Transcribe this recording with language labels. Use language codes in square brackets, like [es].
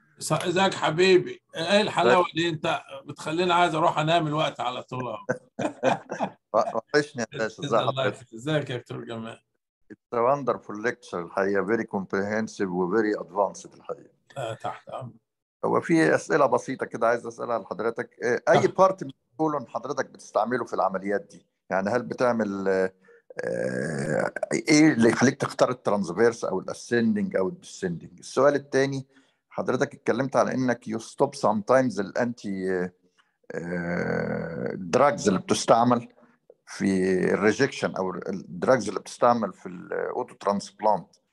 [ar] ازيك حبيبي؟ ايه الحلاوه اللي انت بتخليني عايز اروح انام الوقت على طول اهو. وحشني يا باشا. ازيك يا دكتور جمال؟ [en] It's a wonderful lecture الحقيقه, very comprehensive و very advanced الحقيقه. [ar] تحت امرك. هو في اسئله بسيطه كده عايز اسالها لحضرتك. اي بارت قولون حضرتك بتستعمله في العمليات دي؟ يعني هل بتعمل ايه اللي يخليك تختار الترانسفيرس او الاسيندنج او الديسيندنج؟ السؤال الثاني, حضرتك اتكلمت على انك [en] you stop sometimes [ar] الانتي دراجز اللي بتستعمل في الريجكشن او الدراجز اللي بتستعمل في الاوتو ترانسبلانت.